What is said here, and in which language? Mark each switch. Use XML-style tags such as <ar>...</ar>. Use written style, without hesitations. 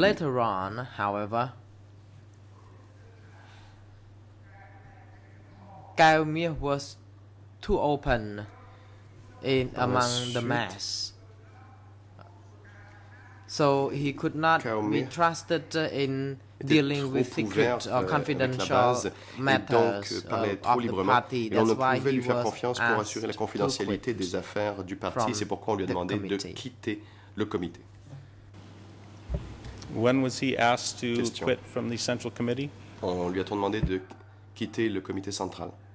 <en>Later on, however, Cao Mie was too open in among the mass. So he could not be trusted in dealing with secret or confidential matters of the party. That's why he was asked to quit</en> <fr>des affaires du parti.</fr> <en>From</en> <fr>c'est pourquoi on lui a demandé de quitter le comité.</fr> <en>When was he asked to quit from the Central Committee?</en> <fr>On lui a-t-on demandé de quitter le comité central?</fr>